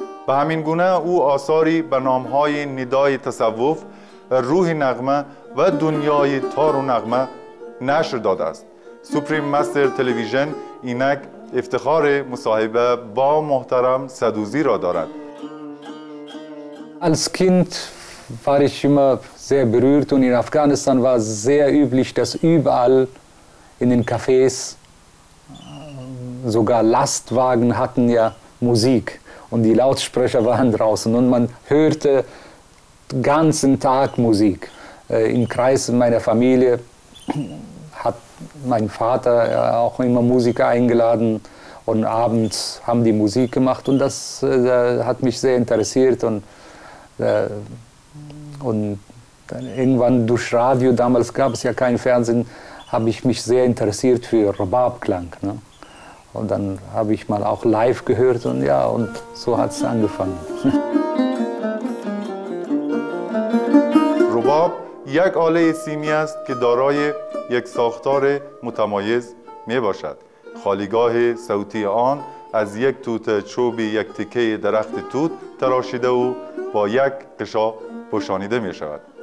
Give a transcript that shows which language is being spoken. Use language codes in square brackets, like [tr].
[fa] به همین گونه او آثاری به نامهای ندای تصوف، روح نغمه و دنیای تار و نغمه نشر داده است. سوپریم مستر تلویزیون اینک افتخار مصاحبه با محترم صدوزی را دارد. [de] Als Kind war ich immer sehr berührt und in Afghanistan war es sehr üblich, dass überall in den Cafés sogar Lastwagen hatten ja Musik und die Lautsprecher waren draußen und man hörte den ganzen Tag Musik. Im Kreis meiner Familie hat mein Vater auch immer Musiker eingeladen und abends haben die Musik gemacht und das hat mich sehr interessiert und dann irgendwann durch Radio, damals gab es ja keinen Fernsehen, habe ich mich sehr interessiert für Rubab-Klang, ne? Und dann habe ich mal auch live gehört und ja, und so hat es angefangen. [fa] Rubab. یک آله سیمی است که دارای یک ساختار متمایز می باشد. خالیگاه صوتی آن از یک توت چوب یک تکه درخت توت تراشیده و با یک قشا پوشانیده می شود.